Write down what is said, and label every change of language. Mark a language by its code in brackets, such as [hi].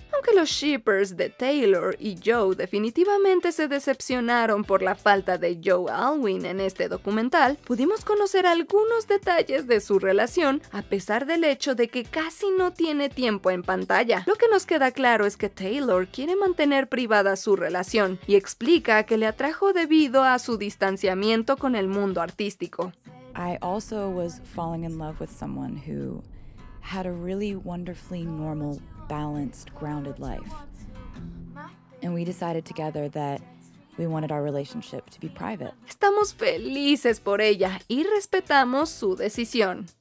[es] Aunque los shippers de Taylor y Joe definitivamente se decepcionaron por la falta de Joe Alwyn en este documental, pudimos conocer algunos detalles de su relación a pesar del hecho de que casi no tiene tiempo en pantalla. Lo que nos queda claro es que Taylor quiere mantener privada su relación y explica que le atrajo debido a su distanciamiento con el mundo artístico. [en] I also was falling in love with someone who had a really wonderfully normal, balanced, grounded life. And we decided together that we wanted our relationship to be private. [es] Estamos felices por ella y respetamos su decisión.